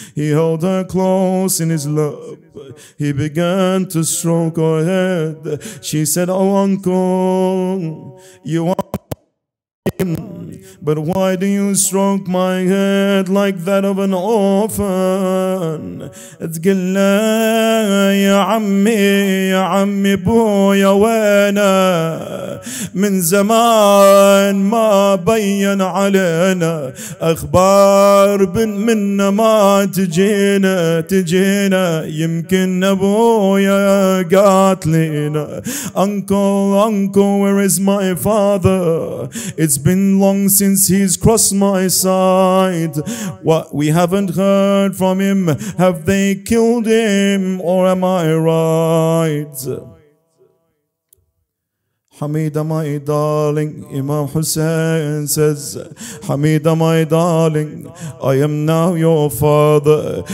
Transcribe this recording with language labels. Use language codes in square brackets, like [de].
[en] He held her close in his lap. He began to stroke her head. She said, Oh uncle, you are But why do you stroke my head like that of an orphan? [ar] تقول يا عمي يا عمي بويا وينه من زمان ما بين علينا أخبار منا ما تجينا تجينا يمكن أبويا قاتلنا [en] Uncle, uncle, where is my father? It's been long since he's crossed my side. What, we haven't heard from him. Have they killed him or am I right? Hamida, my darling, Imam Hussein says, Hamida, my darling, I am now your father.